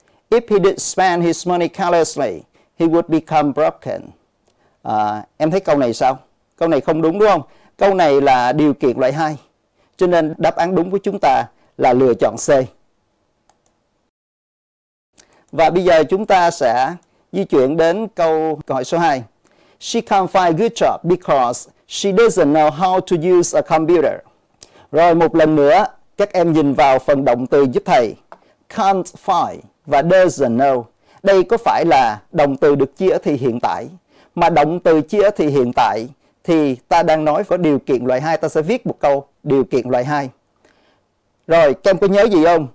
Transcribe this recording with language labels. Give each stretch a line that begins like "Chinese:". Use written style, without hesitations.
English: If he did spend his money carelessly, he would become broken.
Vietnamese: Em thấy câu này sao? Câu này không đúng đúng không? Câu này là điều kiện loại 2. Cho nên đáp án đúng của chúng ta là lựa chọn C. Và bây giờ chúng ta sẽ di chuyển đến câu hỏi số 2.
English: She can't find a good job because she doesn't know how to use a computer.
Vietnamese: Rồi một lần nữa, các em nhìn vào phần động từ giúp thầy.
English: Can't find
Vietnamese: và
English: doesn't know.
Vietnamese: Đây có phải là động từ được chia thì hiện tại? Mà động từ chia thì hiện tại thì ta đang nói có điều kiện loại 2. Ta sẽ viết một câu điều kiện loại 2. Rồi, các em có nhớ gì không?